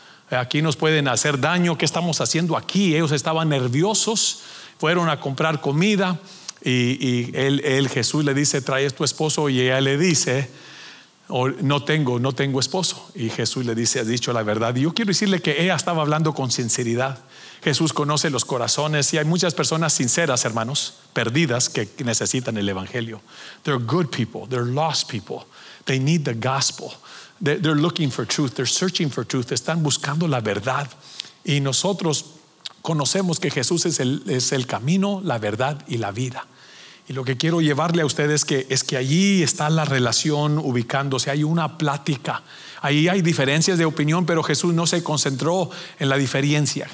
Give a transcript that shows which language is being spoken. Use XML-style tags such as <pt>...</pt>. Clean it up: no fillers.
<es>Aquí nos pueden hacer daño, ¿qué estamos haciendo aquí? Ellos estaban nerviosos, fueron a comprar comida y él, Jesús le dice, traes tu esposo, y ella le dice, no tengo esposo. Y Jesús le dice, has dicho la verdad. Y yo quiero decirle que ella estaba hablando con sinceridad. Jesús conoce los corazones, y hay muchas personas sinceras, hermanos, perdidas, que necesitan el evangelio.</es> <en>They're good people, they're lost people, they need the gospel. They're looking for truth, they're searching for truth.</en> <es>Están buscando la verdad. Y nosotros conocemos que Jesús es el camino, la verdad y la vida. Y lo que quiero llevarle a ustedes es que allí está la relación ubicándose. Hay una plática. Ahí hay diferencias de opinión, pero Jesús no se concentró en la diferencia.</es>